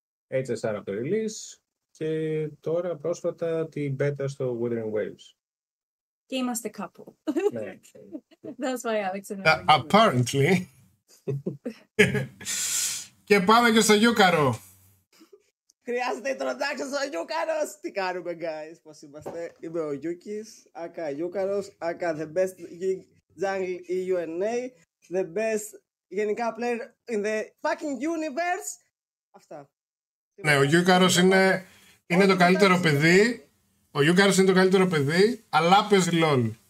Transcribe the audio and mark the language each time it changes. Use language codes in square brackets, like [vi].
[el] HSR από το release και τώρα πρόσφατα την beta στο Wuthering Waves. Και είμαστε couple. [en] That's why Alex and I. Apparently. [el] Και πάμε και στο Γιούκαρο. Χρειάζεται introduction στο Γιούκαρο. Τι κάνουμε, [en] guys, [el] πώς είμαστε. Είμαι ο Γιούκης, aka Γιούκαρος, [en] aka the best jungle EUNA, the best [el] γενικά [en] player in the fucking universe. [el] Αυτά. Ναι, ο Γιούκαρος είναι το καλύτερο παιδί. Ο Γιούκαρος είναι το καλύτερο παιδί, αλλά παίζει LOL.